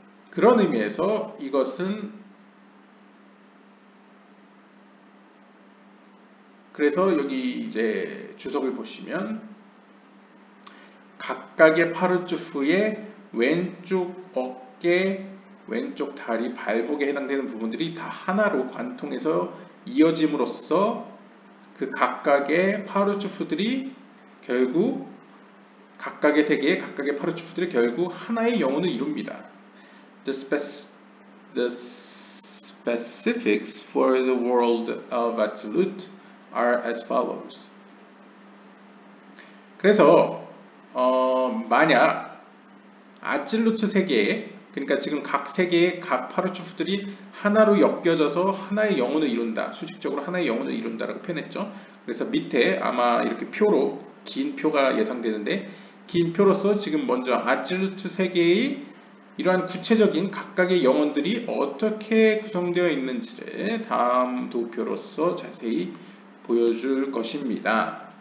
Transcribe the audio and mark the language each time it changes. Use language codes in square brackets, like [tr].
[ko] 그런 의미에서 이것은 그래서 여기 이제 주석을 보시면 각각의 파르주프의 왼쪽 어깨, 왼쪽 다리, 발목에 해당되는 부분들이 다 하나로 관통해서 이어짐으로써 그 각각의 파르주프들이 결국 각각의 세계의 각각의 파르주프들이 결국 하나의 영혼을 이룹니다. [en] The specifics for the world of absolute are as follows. [ko] 그래서 만약 아찔루트 세계에 그러니까 지금 각 세계의 각 파르츠프들이 하나로 엮여져서 하나의 영혼을 이룬다. 수직적으로 하나의 영혼을 이룬다라고 표현했죠. 그래서 밑에 아마 이렇게 표로 긴 표가 예상되는데 긴 표로서 지금 먼저 아찔루트 세계의 이러한 구체적인 각각의 영혼들이 어떻게 구성되어 있는지를 다음 도표로서 자세히 보여줄 것입니다.